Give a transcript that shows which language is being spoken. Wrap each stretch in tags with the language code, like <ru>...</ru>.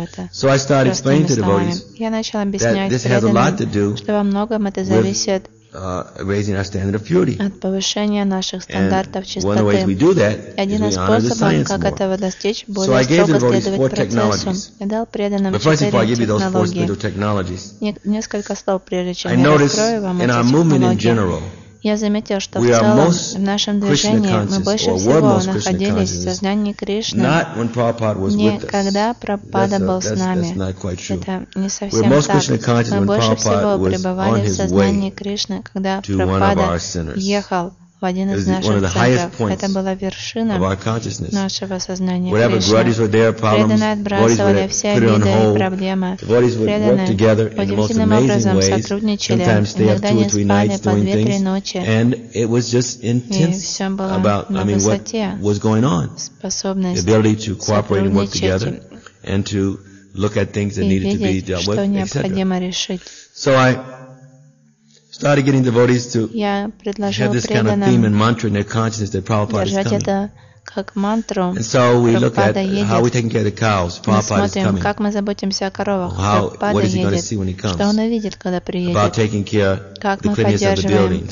<en>So I started explaining to devotees that this has a lot to do with raising our standard of purity. And one of the ways we do that is we honor the science more. So I gave the devotees four technologies. But first of all, I give you those four spiritual technologies. I noticed in our movement in general,</en> <ru>я заметил, что в целом в нашем движении мы больше всего находились в сознании Кришны, не когда Прабхупада был с нами. Это не совсем так. Мы больше всего пребывали в сознании Кришны, когда Прабхупада ехал в один из наших центров. Это была вершина нашего сознания Кришны. Преданные отбрасывали все обиды и проблемы. Преданные удивительным образом сотрудничали, иногда не спали по 2-3 ночи. И все было на высоте способности сотрудничать и видеть, что необходимо решить.</ru> <en>Started getting devotees to have this kind of theme and mantra in their consciousness that Prabhupada is coming. And so we look at how we're taking care of the cows. Prabhupada is coming. What is he going to see when he comes? About taking care of the cleanliness of the buildings.</en>